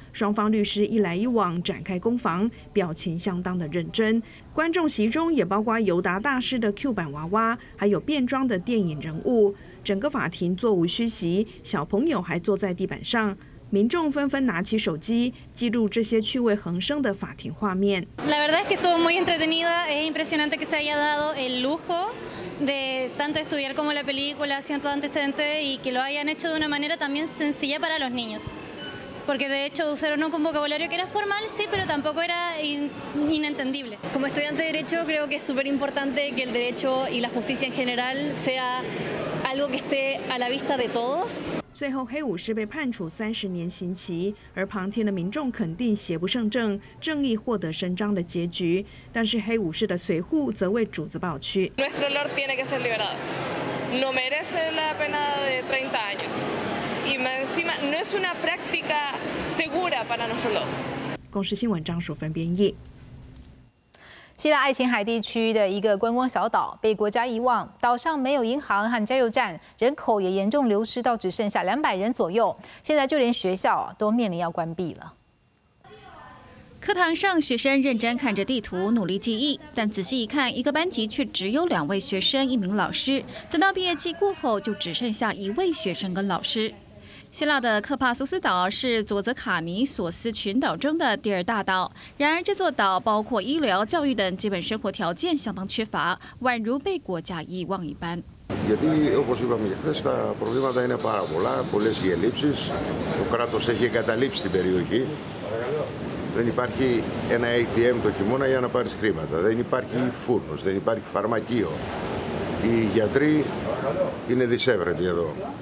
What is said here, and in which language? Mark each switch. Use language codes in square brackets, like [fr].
[zh] 双方律师一来一往展开攻防，表情相当的认真。观众席中也包括尤达大师的 Q 版娃娃，还有变装的电影人物。整个法庭座无虚席，小朋友还坐在地板上。民众纷纷拿起手机记录这些趣味横生的法庭画面。 [es] La verdad es que estuvo muy entretenida, es impresionante que se haya dado el lujo. De tanto estudiar como la película, siento antecedente y que lo hayan hecho de una manera también sencilla para los niños. Porque de hecho usaron un vocabulario que era formal, sí, pero tampoco era inentendible. Como estudiante de Derecho, creo que es súper importante que el derecho y la justicia en general sea algo que esté a la vista de todos. [zh] 最后，黑武士被判处30年刑期，而旁听的民众肯定邪不胜正，正义获得伸张的结局。但是黑武士的随护则为主子抱屈。 [es] Nuestro Lord tiene que ser liberado. No merece la pena de 30 años. Y encima no es una práctica segura para nuestro Lord. [zh] 公视新闻张淑芬编译。希腊爱琴海地区的一个观光小岛被国家遗忘，岛上没有银行和加油站，人口也严重流失到只剩下200人左右，现在就连学校都面临要关闭了。课堂上，学生认真看着地图努力记忆，但仔细一看，一个班级却只有2位学生一名老师，等到毕业季过后就只剩下1位学生跟老师。希腊的克帕苏斯岛是佐泽卡尼索斯群岛中的第二大岛，然而这座岛包括医疗、教育等基本生活条件相当缺乏，宛如被国家遗忘一般。 [el] Γιατί, όπως είπαμε και χθες, τα προβλήματα είναι πάρα πολλά, πολλές οι ελλείψεις. Το κράτος έχει εγκαταλείψει την περιοχή. Δεν υπάρχει ένα ATM το χειμώνα για να πάρεις χρήματα. Δεν υπάρχει φούρνος, δεν υπάρχει φαρμακείο. Οι γιατροί είναι δυσέβρετοι εδώ.